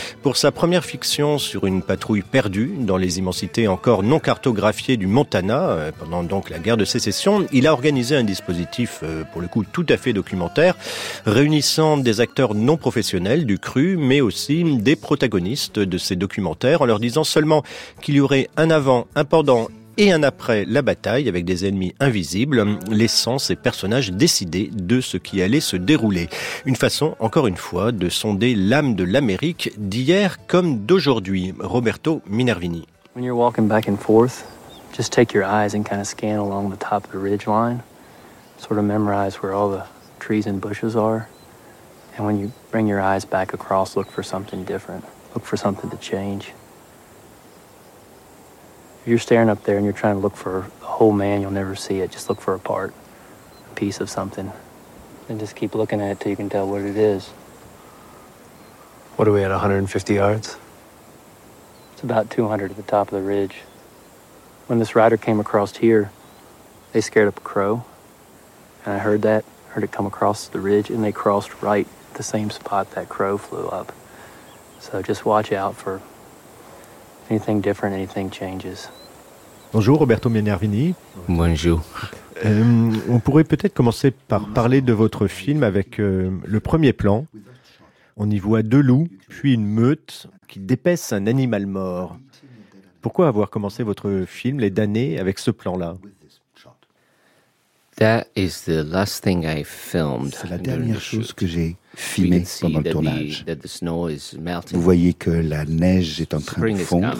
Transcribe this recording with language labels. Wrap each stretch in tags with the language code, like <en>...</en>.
<fr>Pour sa première fiction sur une patrouille perdue dans les immensités encore non cartographiées du Montana, pendant donc la guerre de sécession, il a organisé un dispositif, pour le coup tout à fait documentaire, réunissant des acteurs non professionnels du cru, mais aussi des protagonistes de ces documentaires, en leur disant seulement qu'il y aurait un avant, un pendant et un après la bataille avec des ennemis invisibles, laissant ces personnages décider de ce qui allait se dérouler. Une façon, encore une fois, de sonder l'âme de l'Amérique d'hier comme d'aujourd'hui. Roberto Minervini.</fr> <en>When you're walking back and forth, just take your eyes and kind of scan along the top of the ridge line, sort of memorize where all the trees and bushes are. And when you bring your eyes back across, look for something different, look for something to change. If you're staring up there and you're trying to look for a whole man, you'll never see it. Just look for a part, a piece of something. And just keep looking at it till you can tell what it is. What are we at, 150 yards? It's about 200 at the top of the ridge. When this rider came across here, they scared up a crow. And I heard that, heard it come across the ridge, and they crossed right at the same spot that crow flew up. So just watch out for anything different, anything changes.</en> <fr>Bonjour Roberto Minervini. Bonjour. On pourrait peut-être commencer par parler de votre film avec le premier plan. On y voit deux loups, puis une meute qui dépèce un animal mort. Pourquoi avoir commencé votre film, Les Damnés, avec ce plan-là?</fr> <en>That is the last thing I filmed.</en> <fr>C'est la dernière chose que j'ai filmé pendant le tournage. Vous voyez que la neige est en train de fondre.</fr>